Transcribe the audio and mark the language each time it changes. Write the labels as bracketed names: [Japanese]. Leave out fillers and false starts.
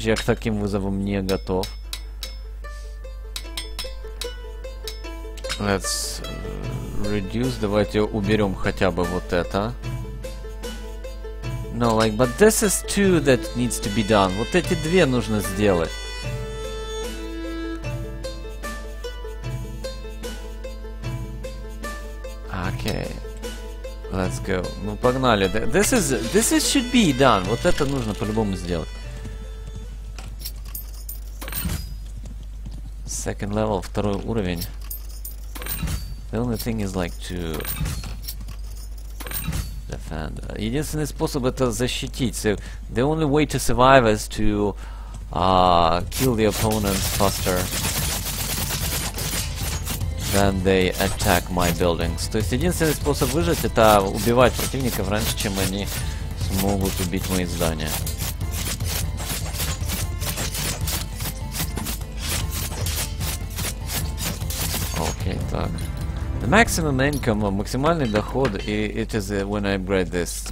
[Russian] Я к таким вызовам не готов. [English] Let's reduce. [Russian] Давайте уберем хотя бы вот это. [English] No, like, but this is two that needs to be done. [Russian] Вот эти две нужно сделать. [English] Let's go. [Russian] Ну погнали. [English] This is should be done. [Russian] Вот это нужно по-любому сделать. [English] Second level, [Russian] второй уровень. [English] The only thing is like to defend. [Russian] Единственный способ это защитить. [English] So the only way to survive is to kill the opponent faster. Then they attack my buildings. [Russian] То есть единственный способ выжить это убивать противников раньше, чем они смогут убить мои здания. [English] Okay, так. The maximum income, [Russian] максимальный доход, [English] it is when I upgrade this.